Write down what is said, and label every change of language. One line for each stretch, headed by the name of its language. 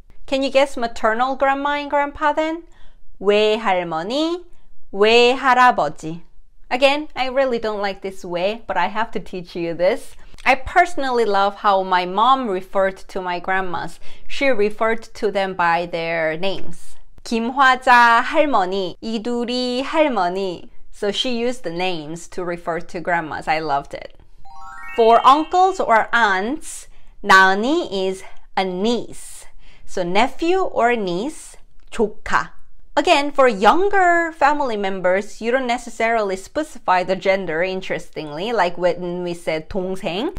English: Can you guess maternal grandma and grandpa then?
Korean: 외할머니, 외할아버지.
English: Again, I really don't like this 외, but I have to teach you this. I personally love how my mom referred to my grandmas. She referred to them by their names.
Korean: 김화자 할머니, 이두리 할머니.
English: So she used the names to refer to grandmas. I loved it. For uncles or aunts, 나은이 is a niece. So nephew or niece, 조카. Again, for younger family members, you don't necessarily specify the gender, interestingly, like when we said 동생.